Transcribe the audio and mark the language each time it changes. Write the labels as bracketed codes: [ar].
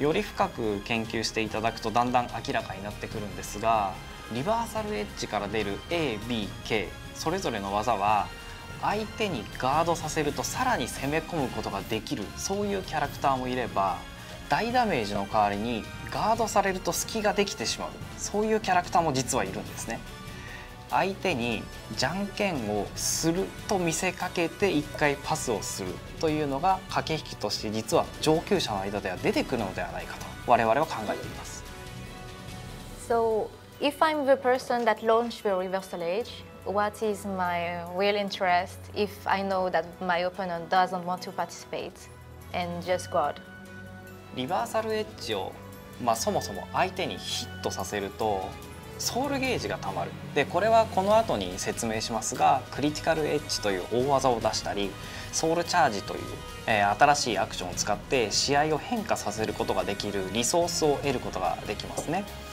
[ja] より深く研究していただくとだんだん明らかになってくるんですが、リバーサルエッジから出る A、B、K それぞれの技は相手にガードさせるとさらに攻め込むことができる、そういうキャラクターもいれば大ダメージの代わりにガードされると隙ができてしまう、そういうキャラクターも実はいるんですね。相手にじゃんけんをすると見せかけて一回パスをするというのが駆け引きとして実は上級者の間では出てくるのではないかと我々は考えています。 [en] So if I'm the person that launched the reversal age what is my real interest if I know that my opponent doesn't want to participate and just guard? [ja] リバーサルエッジを、まあ、そもそも相手にヒットさせるとソウルゲージがたまる。で、これはこの後に説明しますが、クリティカルエッジという大技を出したり、ソウルチャージという、新しいアクションを使って試合を変化させることができるリソースを得ることができますね。